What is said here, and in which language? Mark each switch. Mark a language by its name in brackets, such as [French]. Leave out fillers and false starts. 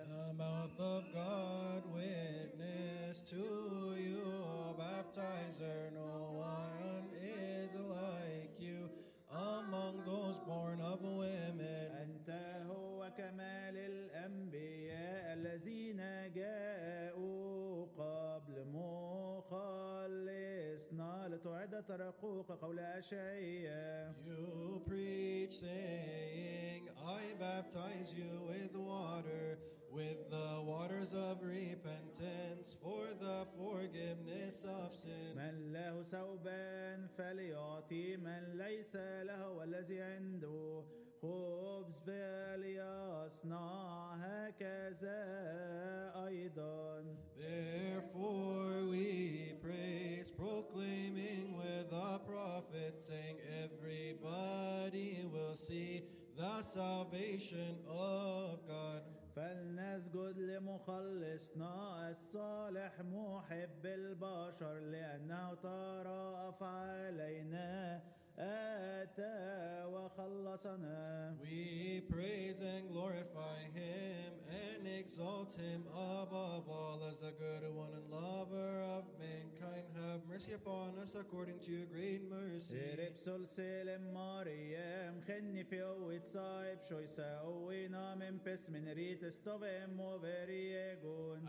[English] The mouth of God witness to you, O baptizer, no one is like you among those born of women. [Arabic] أنت هو كمال الأنبياء الذين جاءوا قبل مخلصنا لتعد ترقوق قول أشعياء. [English] You preach saying, I baptize you with water, with the waters of repentance for the forgiveness of sin. [Arabic] من له ثوبان فليعطي من ليس له والذي عنده خبز فليصنع هكذا أيضا. [English] Therefore we praise, proclaiming with the prophet, saying, everybody will see the salvation of God. [Arabic] فلنسجد لمخلصنا الصالح محب البشر لأنه تراءف علينا أتى وخلصنا. [English] We praise and glorify him and exalt him above all as the good one and lover of mankind. Have mercy upon us according to your great mercy. Ripsul selim mariem, chenni fio itzaib, shoyse uinam impis minerites tovem overiegun.